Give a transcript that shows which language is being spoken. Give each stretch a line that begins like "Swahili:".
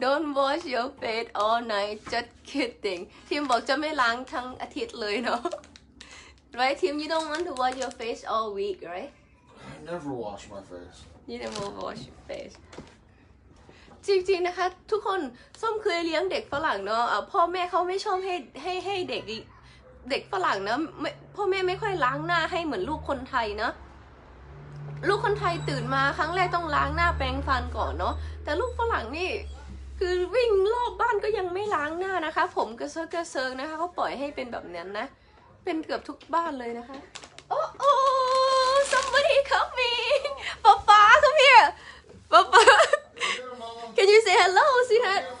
English: Don't wash your face all night. Just kidding. Tim
Thai: บอกจะไม่ล้างทั้งอาทิตย์เลยเนาะ
English: Right, Tim, you don't want to wash your face all week, right? I never wash my face. You never wash your face.
Thai: จริงๆนะคะทุกคนส้มเคยเลี้ยงเด็กฝรั่งเนาะพ่อแม่เขาไม่ชอบให้เด็กฝรั่งเนาะพ่อแม่ไม่ค่อยล้างหน้าให้เหมือนลูกคนไทยเนาะ ลูกคนไทยตื่นมาครั้งแรกต้องล้างหน้าแปรงฟันก่อนเนาะแต่ลูกฝรั่งนี่คือวิ่งรอบบ้านก็ยังไม่ล้างหน้านะคะผมกระเซิงกระเซิงนะคะเขาปล่อยให้เป็นแบบนั้นนะเป็นเกือบทุกบ้านเลยนะคะโอ้โอ
English: somebody coming
Thai: ป๊าป๊า
English: come here
Thai: ป๊าป๊า
English: Can you say hello, sweetheart?